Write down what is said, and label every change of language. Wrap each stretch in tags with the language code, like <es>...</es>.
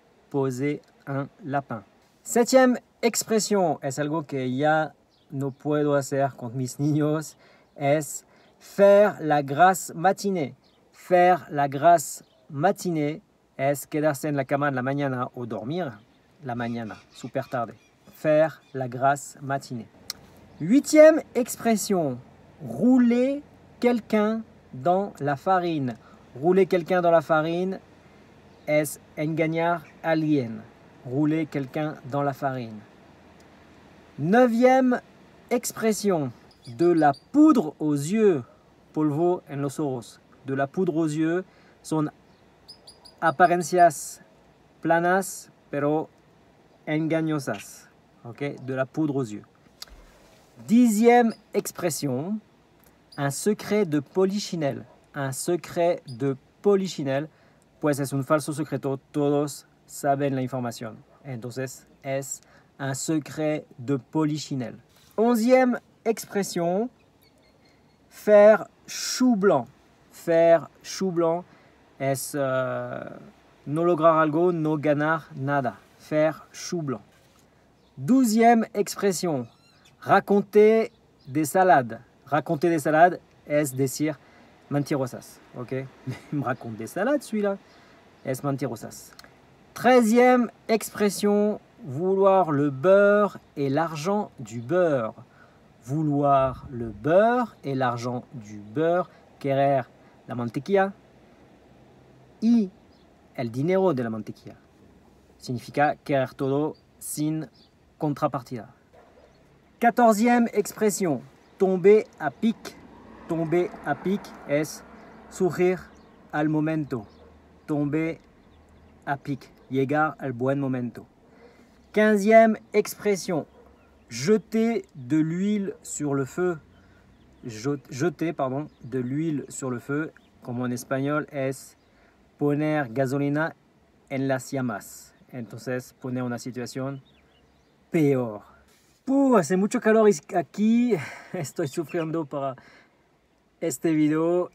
<fr>Poser un lapin. Septième expression,</fr> <es>es algo que ya no puedo hacer con mis niños, es</es> <fr>faire la grasse matinée. Faire la grasse matinée</fr> <es>es quedarse en la cama en la mañana o dormir la mañana, super tarde.</es> <fr>Faire la grasse matinée. Huitième expression, rouler quelqu'un dans la farine. Rouler quelqu'un dans la farine</fr> <es>es engañar a alguien.</es> <fr>Rouler quelqu'un dans la farine. Neuvième expression, de la poudre aux yeux.</fr> <es>Polvo en los ojos.</es> <fr>De la poudre aux yeux.</fr> <es>Son apariencias planas, pero engañosas.</es> <fr>Okay? De la poudre aux yeux. Dixième expression, un secret de polichinelle. Un secret de polichinelle.</fr> <es>Pues es un falso secreto. Todos saben la información. Entonces, es</es> <fr>un secret de polichinelle. Onzième expression, faire chou blanc. Faire chou blanc</fr> <es>es no lograr algo, no ganar nada.</es> <fr>Faire chou blanc. Douzième expression, raconter des salades. Raconter des salades</fr> <es>es decir mentirosas, ok?</es> <fr>Il me raconte des salades celui-là,</fr> <es>es mentirosas.</es> <fr>Treizième expression, vouloir le beurre et l'argent du beurre. Vouloir le beurre et l'argent du beurre.</fr> <es>Querer la mantequilla y el dinero de la mantequilla. Significa querer todo sin contrapartida.</es> <fr>Quatorzième expression, tomber à pic. Tomber à pic</fr> <es>es surgir al momento.</es> <fr>Tomber a pic,</fr> <es>llegar al buen momento.</es> <fr>15e expression, jeter de l'huile sur le feu. Jeter de l'huile sur le feu, comme en espagnol,</fr> <es>es poner gasolina en las llamas. Entonces, poner una situación peor.</es> <fr>Pouh, c'est</fr> <es>mucho calor aquí. Estoy sufriendo para este video.</es>